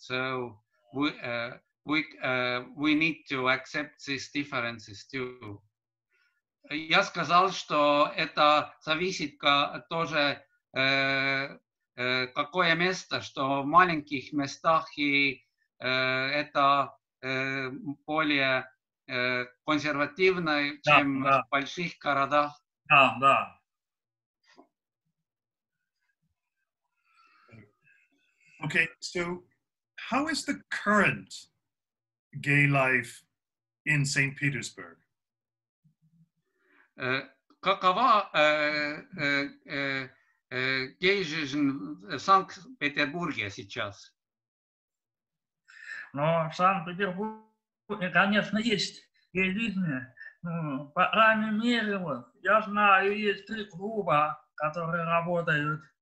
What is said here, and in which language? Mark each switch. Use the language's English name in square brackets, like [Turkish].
[English] So we need to accept these differences too. [Russian] Я сказал, что это зависит тоже какое место, что в маленьких местах и это более консервативное, чем в больших городах. Да, да. [English] Okay, so how is the current gay life in St. Petersburg? [Russian] Какова гей жизнь в Санкт-Петербурге сейчас? Ну, в Санкт-Петербурге, конечно, есть гей жизнь. По крайней мере, вот, я знаю, есть три клуба, которые работают.